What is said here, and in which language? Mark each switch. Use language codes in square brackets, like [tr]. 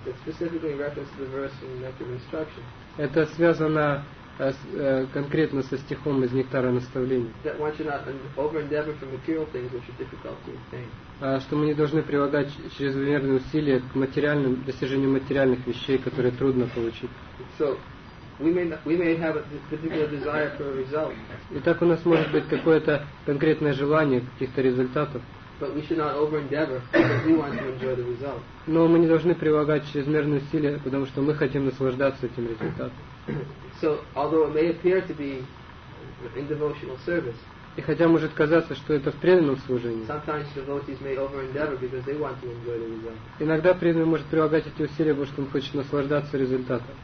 [en] it's specifically referenced to the verse in Nectar Instruction. [ru] Это связано конкретно со стихом из Нектара Наставления. [en] That one should not over-endeavor for material things which are difficult to obtain. [ru] Что мы не должны прилагать чрезмерные усилия к материальным достижению материальных вещей, которые трудно получить. [en] So we may have a particular desire for a result. [ru] Итак, у нас может быть какое-то конкретное желание каких-то результатов. [en] But we should not over-endeavor because we want to enjoy the result. [ru] Но мы не должны прилагать чрезмерные усилия, потому что мы хотим наслаждаться этим результатом. [en] So although it may appear to be in devotional service. [ru] И хотя может казаться, что это в преданном служении. [en] Sometimes devotees may over-endeavor because they want to enjoy the result. [ru] Иногда преданный может прилагать эти усилия, потому что он хочет наслаждаться результатом.